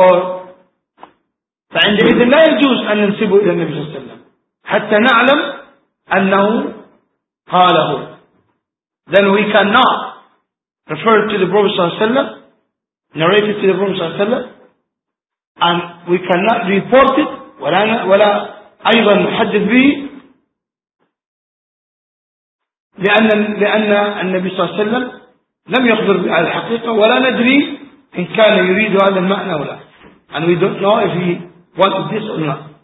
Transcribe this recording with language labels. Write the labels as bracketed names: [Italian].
[Arabic] Or فعند إذن لا يجوز أن ننسبه إلى النبي صلى الله عليه وسلم حتى نعلم أنه قاله. [English] Then we cannot refer to the Prophet ﷺ, narrated to the Prophet ﷺ, and we cannot report it [Arabic] ولا أيضا نحدث به لأن النبي صلى الله عليه وسلم لم يخبر بها الحقيقة، ولا ندري إن كان يريد هذا المعنى ولا. [English] And we don't know if he wanted this or not.